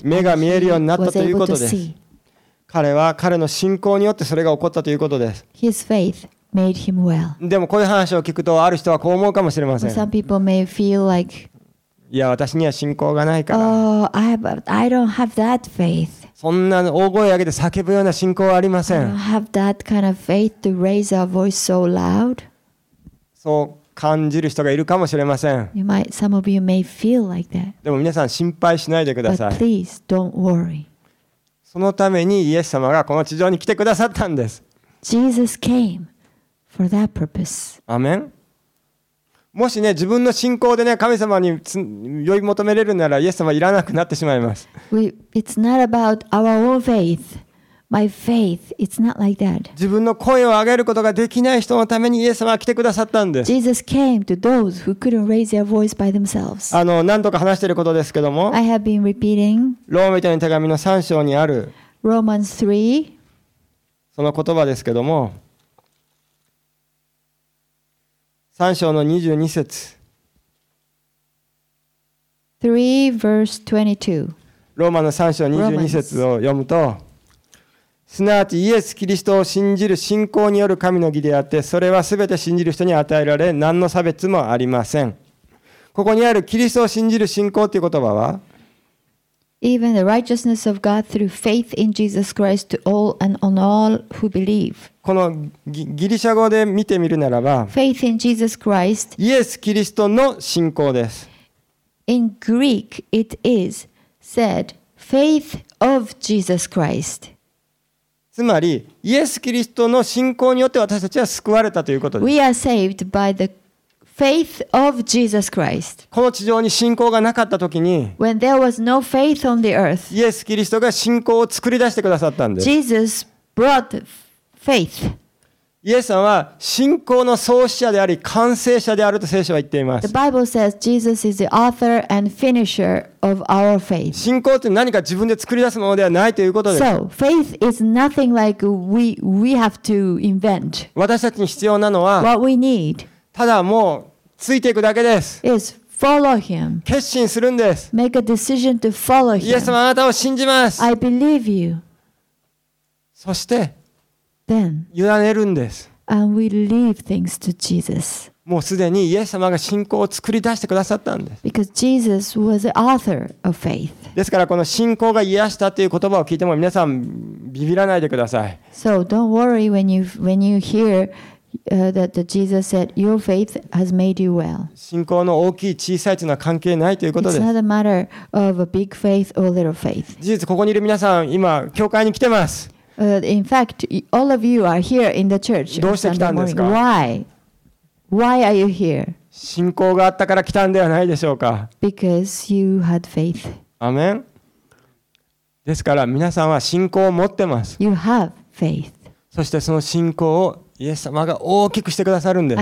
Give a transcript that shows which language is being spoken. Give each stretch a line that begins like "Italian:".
Japanese: 目が見えるようになったということです。彼は彼の信仰によってそれが起こったということです。
English: His faith made him well.
Japanese: でもこういう話を聞くとある人はこう思うかもしれません。
English: Some people may feel like,
Japanese: いや私には信仰がないから。
English: Oh, I don't have that faith.
Japanese: そんな大声を上げて叫ぶような信仰はありません。
English: I don't have that kind of faith to raise our voice so loud.
Japanese: そう感じる人がいるかもしれません。
English: Some of you may feel like that.
Japanese: でも皆さん心配しないでください。
English: But please don't worry.
Japanese: そのためにイエス様がこの地上に来てくださったんです。
English: Jesus came for that purpose.
Japanese: アメン。もしね自分の信仰でね神様に呼び求めれるならイエス様いらなくなってしまいます。
English: It's not about our own faith. My faith, it's not like that.
Japanese: 自分の声を上げることができない人のためにイエス様は来てくださったんです。
English: Jesus came to those who couldn't raise their voice by themselves.
Japanese: 何度か話していることですけども、
English: I have been repeating.
Japanese: ローマ人の手紙の3章にある
English: Romans 3.
Japanese: その言葉ですけども、3章の22節。
English: 3 verse 22.
Japanese: ローマの3章22節を読むと。すなわちイエス・キリストを信じる信仰による神の義であって、それはすべて信じる人に与えられ、何の差別もありません。ここにあるキリストを信じる信仰という言葉は、
English: Even the righteousness of God through faith in Jesus Christ to all and on all who believe.
Japanese: このギリシャ語で見てみるならば、
English: Faith in Jesus Christ.
Japanese: イエス・キリストの信仰です。
English: In Greek, it is said, faith of Jesus Christ.
Japanese: つまりイエス・キリストの信仰によって私たちは救われたということです。
English: We are saved by the faith of Jesus Christ.
Japanese: この地上に信仰がなかったときに、
English: When there was no faith on the earth,
Japanese: イエス・キリストが信仰を作り出してくださったんです。
English: Jesus brought faith.
Japanese: イエスさんは信仰の創始者であり完成者であると聖書は言っています。
English: The Bible says Jesus is the author and finisher. Of our faith.
Japanese: 信仰って何か自分で作り出すものではないということです。
English: So, faith is nothing like we have to invent.
Japanese: 私たちに必要なのは、
English: What we need
Japanese: ただもうついていくだけです。
English: Is follow him.
Japanese: 決心するんです。
English: Make a decision to follow him.
Japanese: イエス様あなたを信じます。
English: I believe you.
Japanese: そして、
English: Then,
Japanese: 委ねるんです。
English: And we leave things to Jesus.
Japanese: もうすでにイエス様が信仰を作り出してくださったんです。
English: Because Jesus was the author of faith.
Japanese: ですからこの信仰が癒したという言葉を聞いても皆さんビビらないでください。
English: So don't worry when you hear that Jesus said your faith has made you well.
Japanese: 信仰の大きい小さいというのは関係ないということです。
English: It's not a matter of a big faith or little faith.
Japanese: 事実ここにいる皆さん今教会に来てます。
English: In fact, all of you are here in the church.
Japanese: どうして来たんですか?
English: Why? Why are you here?
Japanese: 信仰があったから来たんではないでしょうか?
English: Because you had faith.
Japanese: アメン。ですから皆さんは信仰を持ってます。
English: You have faith.
Japanese: そしてその信仰をイエス様が大きくしてくださるんです。